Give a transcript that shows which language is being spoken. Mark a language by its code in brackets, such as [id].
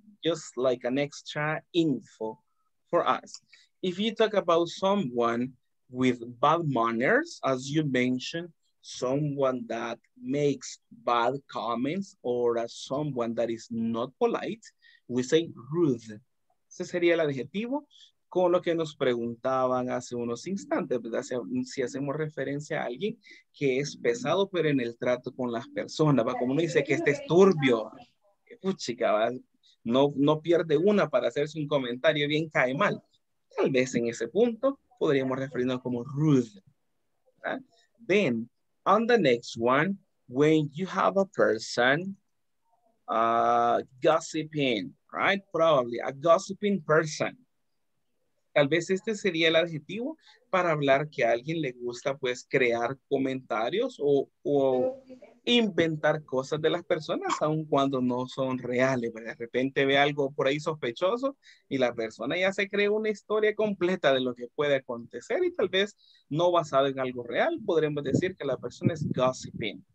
[en] Just like an extra info for us. If you talk about someone with bad manners, as you mentioned, someone that makes bad comments or as someone that is not polite, we say rude. [es] Ese sería el adjetivo con lo que nos preguntaban hace unos instantes, ¿verdad? Si hacemos referencia a alguien que es pesado, pero en el trato con las personas, ¿verdad? Como uno dice que este es turbio, puchica, no pierde una para hacerse un comentario bien cae mal. Tal vez en ese punto podríamos referirnos como rude. ¿Verdad? [en] Then, on the next one, when you have a person gossiping, right? Probably a gossiping person. [es] Tal vez este sería el adjetivo para hablar que a alguien le gusta pues crear comentarios o inventar cosas de las personas, aun cuando no son reales. De repente ve algo por ahí sospechoso y la persona ya se cree una historia completa de lo que puede acontecer y tal vez no basado en algo real, podremos decir que la persona es gossiping.